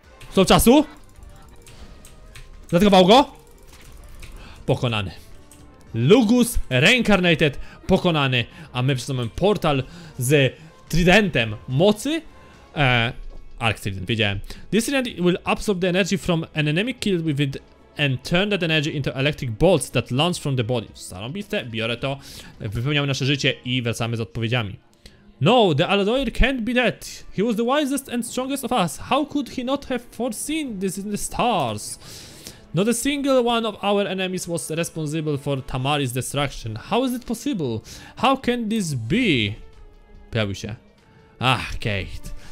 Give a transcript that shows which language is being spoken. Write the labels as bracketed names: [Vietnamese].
[Polish] Stop czasu. Zatkował go. Pokonany. Lugus Reincarnated pokonany. A my przesunąłem portal z tridentem mocy. Arcstrident, wiedziałem. [English] This trident will absorb the energy from an enemy killed with it and turn that energy into electric bolts that launch from the body. [Polish] Zarąbiste, biorę to. Wypełniamy nasze życie i wracamy z odpowiedziami. [English] No, the Aladoir can't be dead. He was the wisest and strongest of us. How could he not have foreseen this in the stars? Not a single one of our enemies was responsible for Tamari's destruction. How is it possible? How can this be? [Polish] Pojawił się. [English] Ah, Kate.